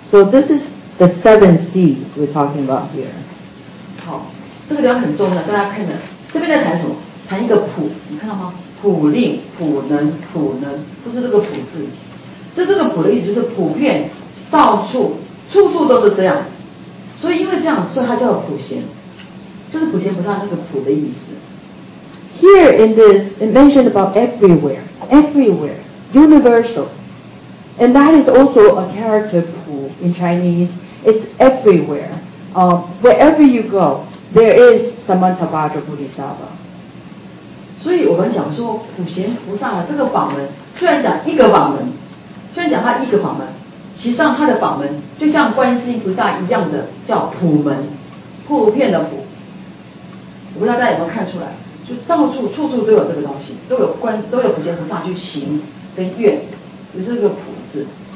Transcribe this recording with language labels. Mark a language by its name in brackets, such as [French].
[English] So this is the seven seas we're talking about here. [Chinese] 这个地方很重要，大家看着，这边在谈什么？谈一个普，你看到吗？普令、普能、普能，不是这个普字。这个普的意思就是普遍，到处、处处都是这样。所以因为这样，所以它叫普贤，就是普贤菩萨那个普的意思。 [English] Here in this, it mentioned about everywhere, everywhere, universal, and that is also a character pu in Chinese. It's everywhere, wherever you go. There is Samantabhadra Bodhisattva. [Chinese] 所以我们讲说普贤菩萨的这个法门，虽然讲一个法门，虽然讲他一个法门，其实上他的法门就像观世音菩萨一样的叫普门，普遍的普。我不知道大家有没有看出来，就到处处处都有这个东西，都有普贤菩萨去行跟愿，就是这个普字。